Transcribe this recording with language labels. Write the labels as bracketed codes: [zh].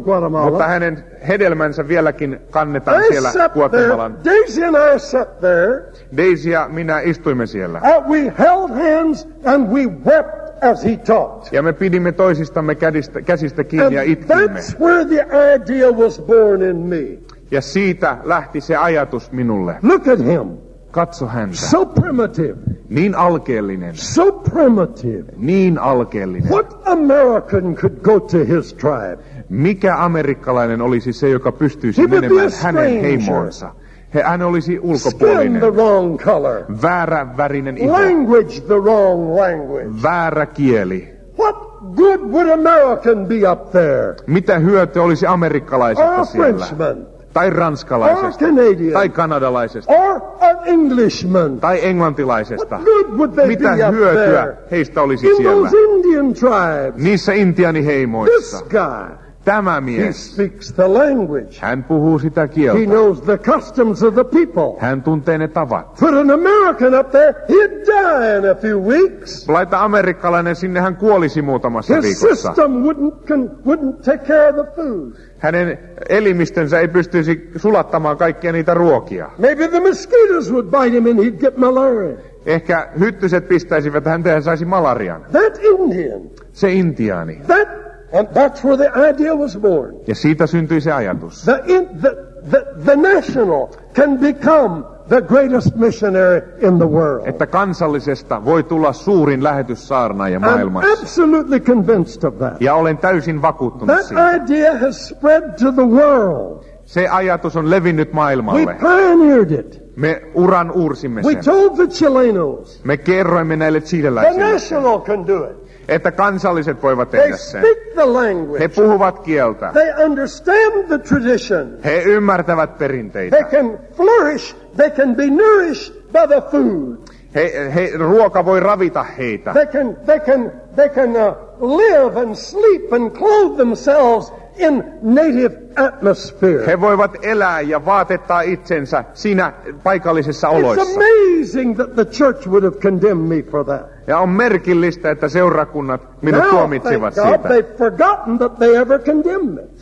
[fi] Mutta hänen hedelmänsä vieläkin kannetaan siellä Guatemalan. [en] Daisy and I sat there. [fi] Daisy ja minä istuimme siellä. [en] We held hands and we wept as he talked. [fi] Ja me pidimme toisistamme käsistä kiinni [en] and [fi] ja itkimme. [en] That's where the idea was born in me. [fi] Ja siitä lähti se ajatus minulle. [en] Look at him. [fi] Katso häntä. [en] So primitive. [fi] Niin alkeellinen. [en] So primitive. [fi] Niin alkeellinen. [en] What American could go to his tribe? [fi] Mikä amerikkalainen olisi se, joka pystyisi menemään hänen heimoonsa? Hän olisi ulkopuolinen. Väärä värinen iho. [en] Language the wrong language. [fi] Väärä kieli. [en] What good would American be up there? [fi] Mitä hyöty olisi amerikkalaisesta siellä? [en] Or Frenchman. [fi] Tai ranskalaisesta. [en] Or Canadian. [fi] Tai kanadalaisesta. [en] Or an Englishman. [fi] Tai englantilaisesta. [en] What good would they [fi] mitä [en] be up [fi] hyötyä [en] there? [fi] Heistä olisi [en] in [fi] siellä? [en] Those Indian tribes. [fi] Niissä intiaaniheimoissa. [en] This guy. [fi] Tämä mies. [en] He speaks the language. [fi] Hän puhuu sitä kieltä. [en] He knows the customs of the people. [fi] Hän tuntee ne tavat. [en] Put an American up there, he'd die in a few weeks. [fi] Laita amerikkalainen sinne, hän kuolisi muutamassa [en] his [fi] viikossa. [en] His system wouldn't take care of the food. [fi] Hänen elimistönsä ei pystyisi sulattamaan kaikkia niitä ruokia. [en] Maybe the mosquitoes would bite him and he'd get malaria. [fi] Ehkä hyttyset pistäisivät häntä ja hän saisi malarian. [en] That Indian. [fi] Se intiaani. [en] That. And that's where the idea was born. [fi] Ja siitä syntyi se ajatus. [en] The national can become the greatest missionary in the world. [fi] Että kansallisesta voi tulla suurin lähetyssaarnaaja maailmassa. [en] I'm absolutely convinced of that. [fi] Ja olen täysin vakuuttunut [en] that [fi] siitä. [en] Idea has spread to the world. [fi] Se ajatus on levinnyt maailmalle. [en] We pioneered it. [fi] Me uran uursimme sen. [en] We told the Chileanos. [fi] Me kerroimme näille chileläisille. [en] The national can do it. [fi] Että kansalliset voivat tehdä sen. He puhuvat kieltä. [en] They understand the tradition. [fi] He ymmärtävät perinteitä. [en] They can flourish, they can be nourished by the food. [fi] He ruoka voi ravita heitä. [en] They can live and sleep and clothe themselves in native atmosphere. [fi] He voivat elää ja vaatettaa itsensä siinä paikallisessa oloissa. [en] It's amazing that the church would have condemned me for that. [fi] Ja on merkillistä, että seurakunnat minut tuomitsivat siitä. [en] God, they've forgotten that they ever condemned me.